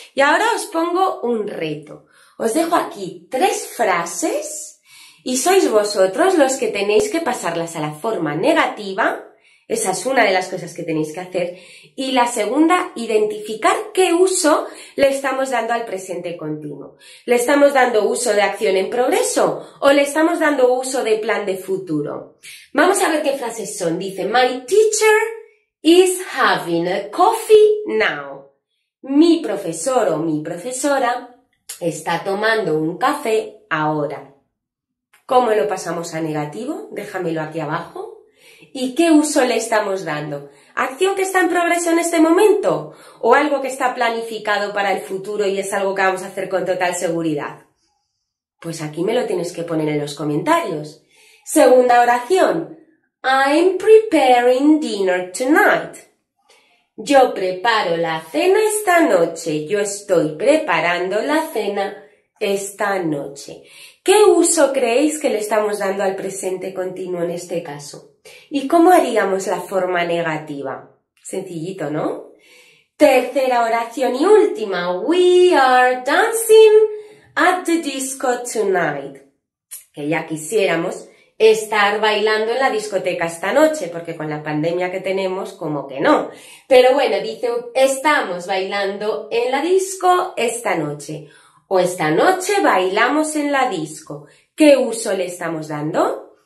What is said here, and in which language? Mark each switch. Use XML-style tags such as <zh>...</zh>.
<es>Y ahora os pongo un reto. Os dejo aquí tres frases y sois vosotros los que tenéis que pasarlas a la forma negativa. Esa es una de las cosas que tenéis que hacer. Y la segunda, identificar qué uso le estamos dando al presente continuo. ¿Le estamos dando uso de acción en progreso o le estamos dando uso de plan de futuro? Vamos a ver qué frases son. Dice,</es> <en>my teacher is having a coffee now.</en> <es>Mi profesor o mi profesora está tomando un café ahora. ¿Cómo lo pasamos a negativo? Déjamelo aquí abajo. ¿Y qué uso le estamos dando? ¿Acción que está en progreso en este momento? ¿O algo que está planificado para el futuro y es algo que vamos a hacer con total seguridad? Pues aquí me lo tienes que poner en los comentarios. Segunda oración.</es> <en>preparing dinner tonight.</en> <es>Yo preparo la cena esta noche. Yo estoy preparando la cena esta noche. ¿Qué uso creéis que le estamos dando al presente continuo en este caso? ¿Y cómo haríamos la forma negativa? Sencillito, ¿no? Tercera oración y última.</es> <en>We are dancing at the disco tonight.</en> <es>Que ya quisiéramos estar bailando en la discoteca esta noche, porque con la pandemia que tenemos, como que no. Pero bueno, dice, estamos bailando en la disco esta noche. O esta noche bailamos en la disco. ¿Qué uso le estamos dando?</es>